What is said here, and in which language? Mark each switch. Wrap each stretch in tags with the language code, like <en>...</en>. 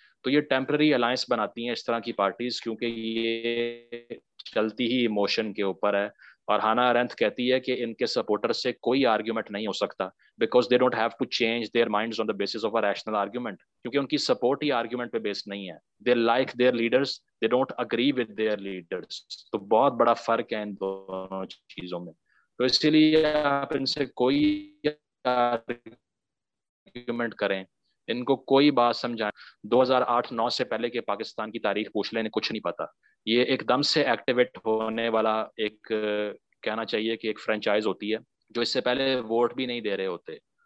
<ur>تو یہ temporary alliance بناتی ہیں اس طرح کی پارٹیز, کیونکہ یہ چلتی ہی ایموشن کے اوپر ہے. اور ہانا ارینتھ کہتی ہے کہ ان کے سپورٹر سے کوئی آرگیومنٹ نہیں ہو سکتا</ur> <en>because they don't have to change their minds on the basis of a rational argument,</en> <ur>کیونکہ ان کی سپورٹ ہی آرگیومنٹ پہ بیسڈ نہیں ہے.</ur> <en>They like their leaders, they don't agree with their leaders.</en> <ur>تو بہت بڑا فرق ہے ان دونوں چیزوں میں. تو اسی لیے آپ ان سے کوئی آرگیومنٹ کریں, ان کو کوئی بات سمجھائیں, 2008-09 سے پہلے کے پاکستان کی تاریخ پوچھ لیں, کچھ نہیں پتا. یہ ایک دم سے ایکٹیویٹ ہونے والا ایک کہنا چاہیے کہ ایک فرینچائز ہوتی ہے جو اس سے پہلے ووٹ بھی نہیں دے رہے ہوتے.</ur>